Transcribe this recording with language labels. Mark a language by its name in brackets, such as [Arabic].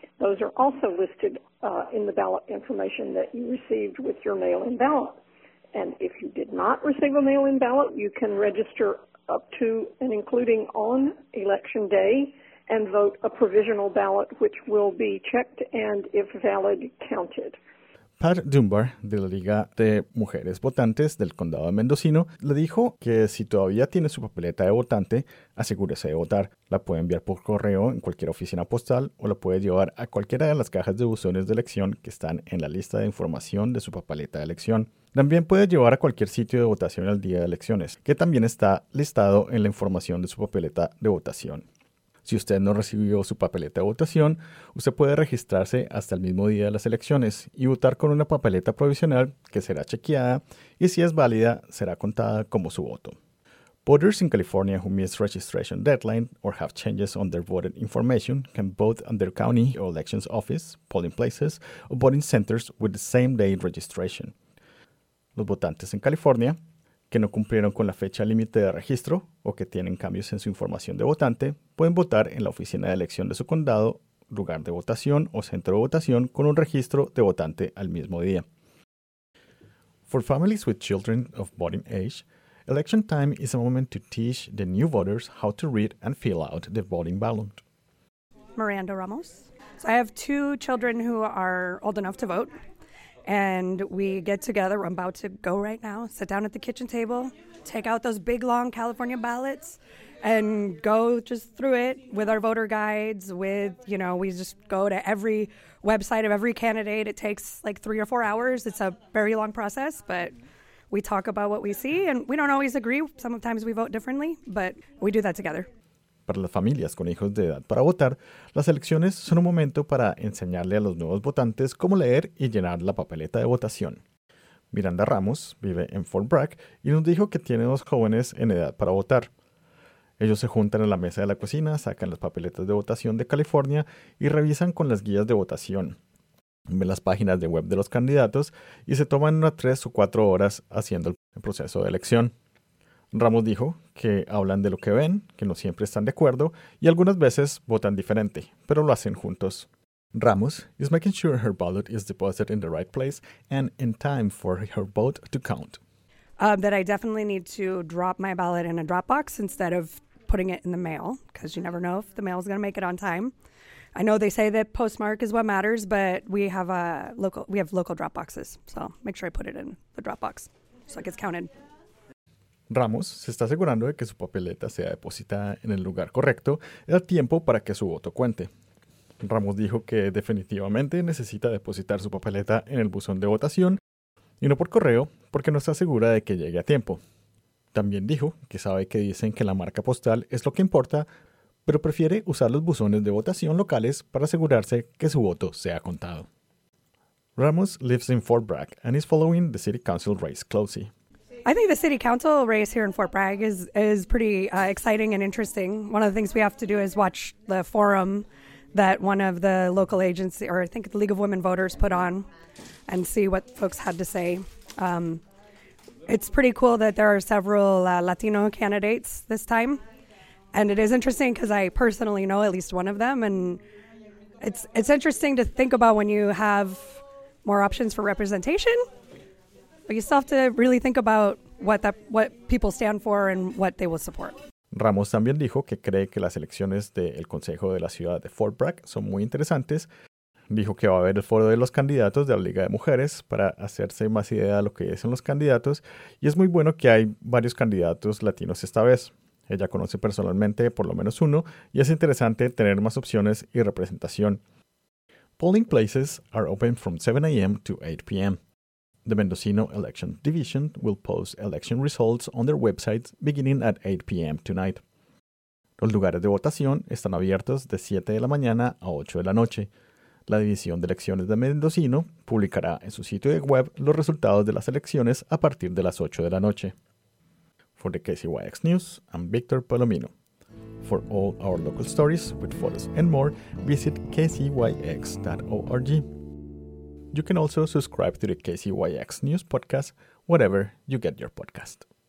[English] Those are also listed in the ballot information that you received with your mail-in ballot. And if you did not receive a mail-in ballot, you can register up to and including on election day and vote a provisional ballot, which will be checked and, if valid, counted. [Spanish] Pat Dunbar, de la Liga de Mujeres Votantes del Condado de Mendocino, le dijo que si todavía tiene su papeleta de votante, asegúrese de votar. La puede enviar por correo en cualquier oficina postal o la puede llevar a cualquiera de las cajas de buzones de elección que están en la lista de información de su papeleta de elección. También puede llevar a cualquier sitio de votación al día de elecciones, que también está listado en la información de su papeleta de votación. Si usted no recibió su papeleta de votación, usted puede registrarse hasta el mismo día de las elecciones y votar con una papeleta provisional que será chequeada y si es válida, será contada como su voto. [English] Voters in California who miss registration deadline or have changes on their voting information can vote on their county or elections office, polling places, or voting centers with the same day registration. [Spanish] Los votantes en California que no cumplieron con la fecha límite de registro o que tienen cambios en su información de votante, pueden votar en la oficina de elección de su condado, lugar de votación o centro de votación con un registro de votante al mismo día. [English] For families with children of voting age, election time is a moment to teach the new voters how to read and fill out the voting ballot. Miranda Ramos. So I have two children who are old enough to vote. And we get together, I'm about to go right now, sit down at the kitchen table, take out those big, long California ballots, and go just through it with our voter guides, with, you know, we just go to every website of every candidate. It takes like 3 or 4 hours. It's a very long process, but we talk about what we see, and we don't always agree. Sometimes we vote differently, but we do that together. [Spanish] Para las familias con hijos de edad para votar, las elecciones son un momento para enseñarle a los nuevos votantes cómo leer y llenar la papeleta de votación. Miranda Ramos vive en Fort Bragg y nos dijo que tiene dos jóvenes en edad para votar. Ellos se juntan en la mesa de la cocina, sacan las papeletas de votación de California y revisan con las guías de votación. Ven las páginas de web de los candidatos y se toman unas 3 o 4 horas haciendo el proceso de elección. Ramos dijo que hablan de lo que ven, que no siempre están de acuerdo y algunas veces votan diferente, pero lo hacen juntos. [English] Ramos is making sure her ballot is deposited in the right place and in time for her vote to count. That I definitely need to drop my ballot in a drop box instead of putting it in the mail, because you never know if the mail is going to make it on time. I know they say that postmark is what matters, but we have local drop boxes, so make sure I put it in the drop box so it gets counted. [Spanish] Ramos se está asegurando de que su papeleta sea depositada en el lugar correcto el tiempo para que su voto cuente. Ramos dijo que definitivamente necesita depositar su papeleta en el buzón de votación y no por correo porque no está segura de que llegue a tiempo. También dijo que sabe que dicen que la marca postal es lo que importa, pero prefiere usar los buzones de votación locales para asegurarse que su voto sea contado. [English] Ramos lives in Fort Bragg and is following the city council race closely. I think the city council race here in Fort Bragg is pretty exciting and interesting. One of the things we have to do is watch the forum that one of the local agencies, or I think the League of Women Voters, put on and see what folks had to say. It's pretty cool that there are several Latino candidates this time. And it is interesting because I personally know at least one of them. And it's interesting to think about when you have more options for representation. But you still have to really think about what people stand for and what they will support. [Spanish] Ramos también dijo que cree que las elecciones del Consejo de la Ciudad de Fort Bragg son muy interesantes. Dijo que va a haber el foro de los candidatos de la Liga de Mujeres para hacerse más idea de lo que dicen los candidatos. Y es muy bueno que hay varios candidatos latinos esta vez. Ella conoce personalmente por lo menos uno y es interesante tener más opciones y representación. [English] Polling places are open from 7 a.m. to 8 p.m. The Mendocino Election Division will post election results on their website beginning at 8 p.m. tonight. [Spanish] Los lugares de votación están abiertos de 7 de la mañana a 8 de la noche. La División de Elecciones de Mendocino publicará en su sitio de web los resultados de las elecciones a partir de las 8 de la noche. [English] For the KCYX News, I'm Victor Palomino. For all our local stories with photos and more, visit kcyx.org. You can also subscribe to the KCYX News podcast, whatever you get your podcast.